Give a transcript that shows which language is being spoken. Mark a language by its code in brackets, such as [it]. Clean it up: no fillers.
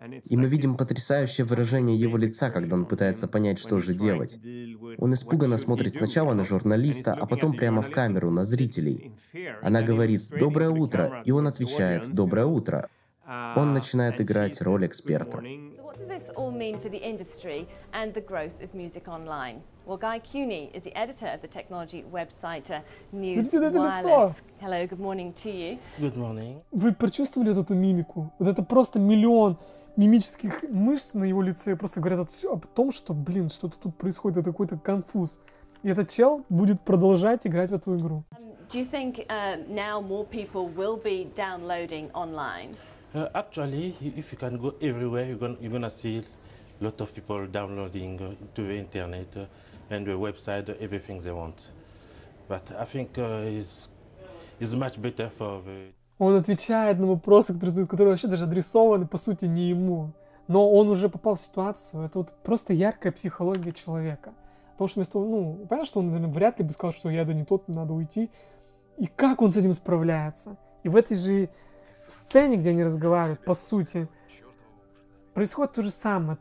[ru] И мы видим потрясающее выражение его лица, когда он пытается понять, что же делать. Он испуганно смотрит сначала на журналиста, а потом прямо в камеру, на зрителей. Она говорит «Доброе утро», и он отвечает «Доброе утро». Он начинает играть роль эксперта. [en] All mean for the industry and the growth of music online? Well, Guy Cuny is the editor of the technology website News Wireless. Hello, good morning to you. Good morning. [ru] Вы прочувствовали эту мимику? Вот это просто миллион мимических мышц на его лице просто говорят о том, что, блин, что-то тут происходит, это какой-то конфуз. И этот чел будет продолжать играть в эту игру. [en] Do you think now more people will be downloading online? Actually, if you can go everywhere, you're gonna see a lot of people downloading to the internet and the website everything they want. But I think is much better for the. [ru] Он отвечает на вопросы, которые вообще даже адресованы по сути не ему, но он уже попал в ситуацию. Это вот просто яркая психология человека, потому что вместо ну понятно, что он наверное, вряд ли бы сказал, что я да не тот, надо уйти. И как он с этим справляется? И в этой же сцене, где они разговаривают, по сути, происходит то же самое.